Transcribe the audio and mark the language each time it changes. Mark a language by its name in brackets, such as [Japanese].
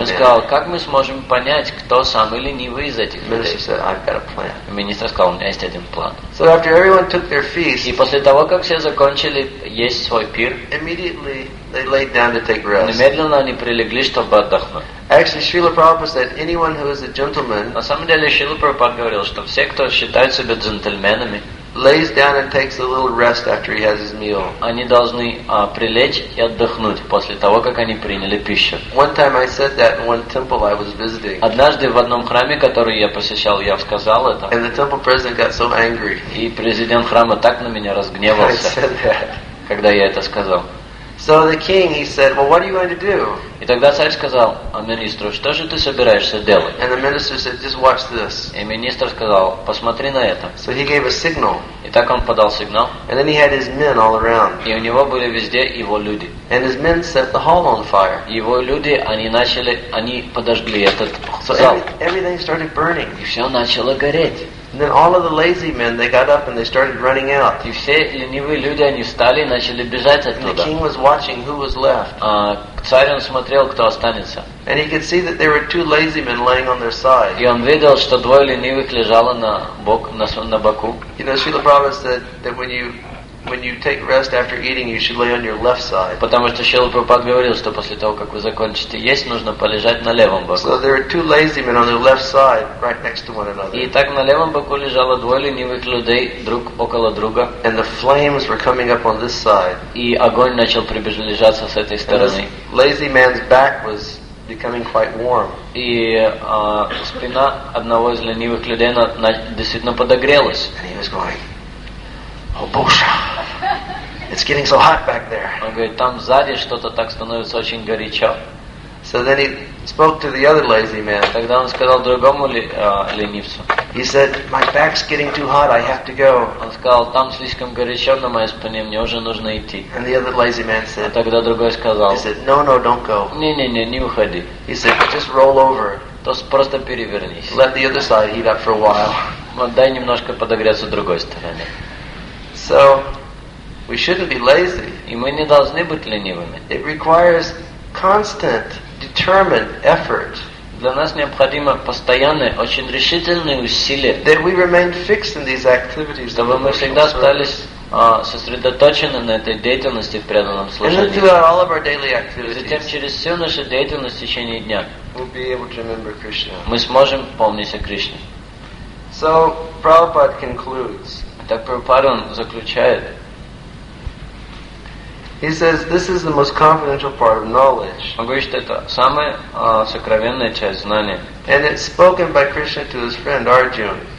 [Russian] Он сказал, как мы сможем понять, кто самый ленивый из этих людей? [English] Minister said, "I've got a plan." [Russian] И министр сказал, у меня есть один план. [English] So after everyone took their feast, [Russian] и после того, как все закончили есть свой пир, [English] immediately they laid down to take rest. [Russian] Немедленно они прилегли, чтобы отдохнуть. [English] Actually, Srila Prabhupada said, anyone who is a gentleman. [Russian] На самом деле, Шрила Прабхупада говорил, что все, кто считает себя джентльменами. [English] Lays down and takes a little rest after he has his meal. [Russian] Они должны прилечь и отдохнуть после того, как они приняли пищу. [English] One time I said that in one temple I was visiting. [Russian] Однажды в одном храме, который я посещал, я сказал это. [English] And the temple president got so angry. [Russian] И президент храма так на меня разгневался. [English] I said that. [Russian] Когда я это сказал. [English] So the king, he said, "Well, what are you going to do?" [Russian] И тогда царь сказал министру, что же ты собираешься делать? [English] And the minister said, "Just watch this." [Russian] И министр сказал, посмотри на это. [English] So he gave a signal. [Russian] И так он подал сигнал. [English] And then he had his men all around. [Russian] И у него были везде его люди. [English] And his men set the hall on fire. [Russian] Его люди, они подожгли этот зал. [English] Everything started burning. [Russian] И все начало гореть. [English] And then all of the lazy men, they got up and they started running out. [Russian] И все ленивые люди, они встали и начали бежать оттуда. [English] And the king was watching who was left. [Russian] Царь он смотрел, кто останется. [English] And he could see that there were two lazy men laying on their side. [Russian] И он видел, что двое ленивых лежало на боку. [English] You know, Srila Prabhupada said that when you take rest after eating, you should lay on your left side. [Russian] Потому что Шрила Прабхупада говорил, что после того, как вы закончите есть, нужно полежать на левом боку. [English] So there are two lazy men on their left side, right next to one another. [Russian] И так на левом боку лежало двое ленивых людей друг около друга. [English] And the flames were coming up on this side. [Russian] И огонь начал приближаться с этой стороны. [English] And this lazy man's back was becoming quite warm. [Russian] И спина одного из ленивых людей действительно подогрелась. [English] And he was going, "Oh, [Russian] Боже! [English] It's getting so hot back there." [Russian] Он говорит, там сзади что-то так становится очень горячо. [English] So then he spoke to the other lazy man. [Russian] Тогда он сказал другому ленивцу. [English] He said, "My back's getting too hot. I have to go." [Russian] Он сказал, там слишком горячо на моей спине, мне уже нужно идти. [English] And the other lazy man said. [Russian] А тогда другой сказал. [English] He said, "No, no, don't go." [Russian] Не уходи. [English] He said, "Just roll over." [Russian] То есть просто перевернись. [English] Let the other side heat up for a while. [Russian] Дай немножко подогреться с другой стороны. [English] So we shouldn't be lazy. [Russian] И мы не должны быть ленивыми. [English] It requires constant, determined effort. [Russian] Для нас необходимо постоянное, очень решительное усилие. [English] That we remain fixed in these activities. [Russian] Чтобы мы всегда остались сосредоточены на этой деятельности в преданном служении. [English] And then throughout all of our daily activities. [Russian] Затем через всю нашу деятельность в течение дня. [English] We'll be able to remember Krishna. [Russian] Мы сможем помнить о Кришне. [English] So Prabhupada concludes. [Russian] Так Прабхупада заключает. [English] He says, "This is the most confidential part of knowledge." [Russian] Он говорит, что это самая сокровенная часть знания. [English] And it's spoken by Krishna to his friend Arjuna.